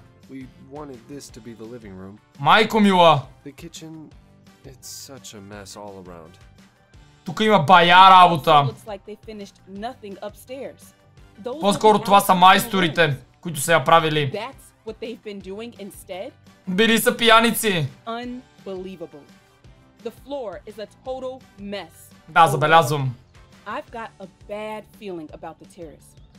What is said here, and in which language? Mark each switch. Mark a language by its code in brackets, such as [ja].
[en] We wanted this to be the living room. [bg] Майко мила. [en] The kitchen, it's such a mess all around. [bg] Тук има бая работа. [en] Looks like they finished nothing upstairs. [bg] По-скоро това са майсторите, които са я правили. [en] What they've been doing instead? [bg] Били са пияници. [en] Unbelievable. The floor is a total mess. [bg] Да, забелязвам. [en] I've got a bad feeling about the terrace.